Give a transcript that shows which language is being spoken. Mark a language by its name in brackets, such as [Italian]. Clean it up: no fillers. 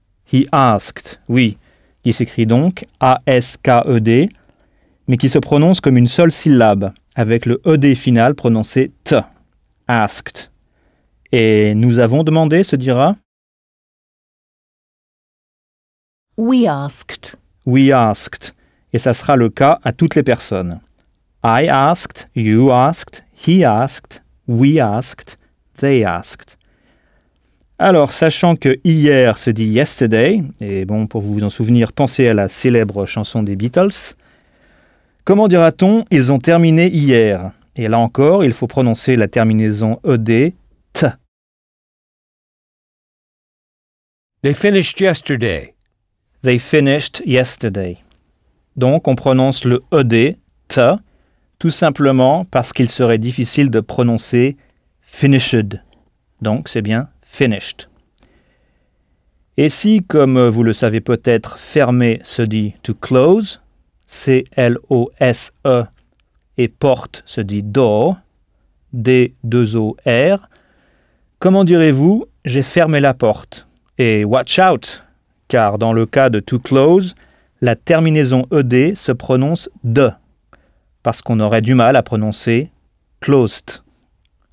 [French] He asked, oui, qui s'écrit donc « a-s-k-e-d », mais qui se prononce comme une seule syllabe, avec le « ed » final prononcé « t ». Asked. Et « nous avons demandé » se dira ? [English] We asked. We asked. [French] Et ça sera le cas à toutes les personnes. [English] I asked, you asked, he asked, we asked, they asked. [French] Alors, sachant que hier se dit yesterday, et bon, pour vous en souvenir, pensez à la célèbre chanson des Beatles. Comment dira-t-on « ils ont terminé hier » ? Et là encore, il faut prononcer la terminaison « ed » « t ». [English] They finished yesterday. They finished yesterday. [French] Donc, on prononce le « ed » « t » tout simplement parce qu'il serait difficile de prononcer « finished ». Donc, c'est bien « finished ». Et si, comme vous le savez peut-être, « fermer » se dit « to close », « c-l-o-s-e » et « porte » se dit « door », « d-2-o-r », comment direz-vous « j'ai fermé la porte » et « watch out » car dans le cas de « to close », la terminaison « ed » se prononce « de », parce qu'on aurait du mal à prononcer « closed ».